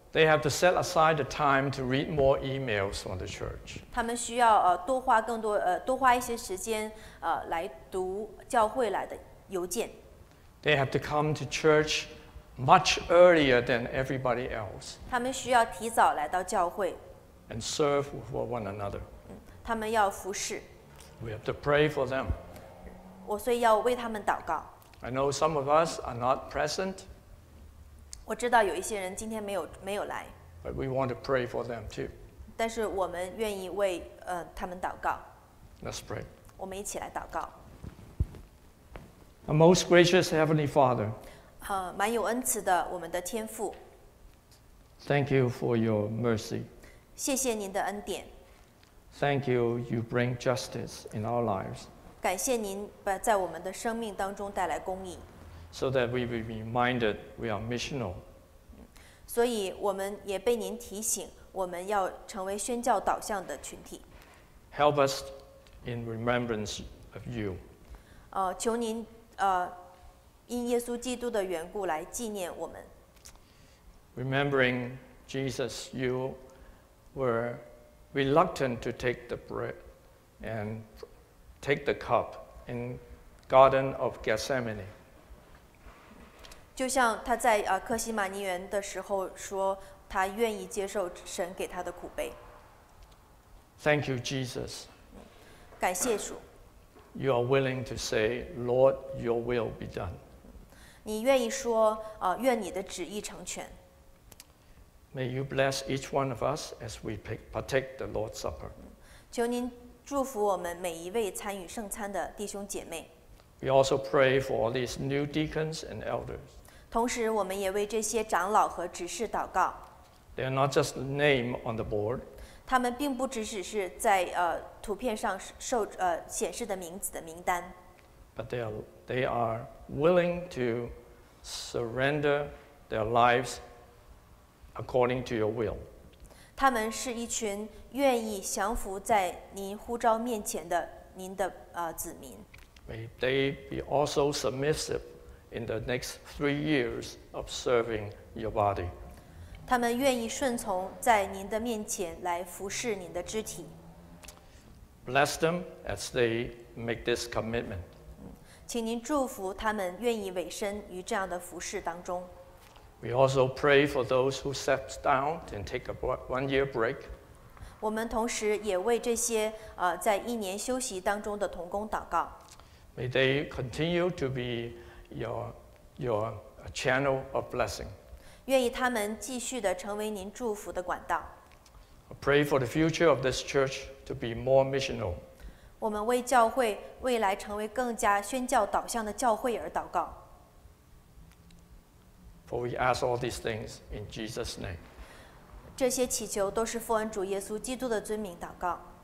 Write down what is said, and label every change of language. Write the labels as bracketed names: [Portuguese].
[English] They have to set aside the time to read more emails from the church. [Chinese] 他们需要多花更多多花一些时间来读教会来的邮件。 [English] They have to come to church much earlier than everybody else. [Chinese] 他们需要提早来到教会。 [English] And serve for one another. [Chinese] 他们要服侍。 [English] We have to pray for them. [Chinese] 我所以要为他们祷告。 [English] I know some of us are not present. [Chinese] 我知道有一些人今天没有来。 [English] But we want to pray for them too. [Chinese] 但是我们愿意为他们祷告。 [English] Let's pray. [Chinese] 我们一起来祷告。 [English] A most gracious Heavenly Father. [Chinese] 蛮有恩慈的我们的天父。 [English] Thank you for your mercy. [Chinese] 谢谢您的恩典。 [English] Thank you, you bring justice in our lives. [Chinese] 感谢您在我们的生命当中带来公义。 [English] So that we will be reminded we are missional. [Chinese] 所以我们也被您提醒，我们要成为宣教导向的群体。 [English] Help us in remembrance of you. [Chinese] 求您因耶稣基督的缘故来纪念我们。 [English] Remembering Jesus, you were reluctant to take the bread and take the cup in Garden of Gethsemane. [Chinese] 就像他在克西马尼园的时候说，他愿意接受神给他的苦杯。 [English] Thank you, Jesus. [Chinese] 感谢主。 [English] You are willing to say, Lord, your will be done. [Chinese] 你愿意说，愿你的旨意成全。 [English] May you bless each one of us as we partake the Lord's Supper. [Chinese] 求您祝福我们每一位参与圣餐的弟兄姐妹。 [English] We also pray for all these new deacons and elders. [Chinese] 同时，我们也为这些长老和执事祷告。 [English] They are not just name on the board. [Chinese] 他们并不只是在图片上显示的名字的名单。 [English] But they are willing to surrender their lives. According to your will. [Chinese] 他们是一群愿意降服在您呼召面前的您的子民。 [English] May they be also submissive in the next 3 years of serving your body. [Chinese] 他们愿意顺从在您的面前来服侍您的肢体。 [English] Bless them as they make this commitment. [Chinese] 请您祝福他们愿意委身于这样的服侍当中。 [English] We also pray for those who step down and take a 1 year break. [Chinese] 我们同时也为这些在一年休息当中的同工祷告。 [English] May they continue to be your channel of blessing. [Chinese] 愿意他们继续的成为您祝福的管道。 [English] I pray for the future of this church to be more missional. [Chinese] 我们为教会未来成为更加宣教导向的教会而祷告。 [English] For we ask all these things in Jesus' name. [Chinese] 这些祈求都是奉主耶稣基督的尊名祷告。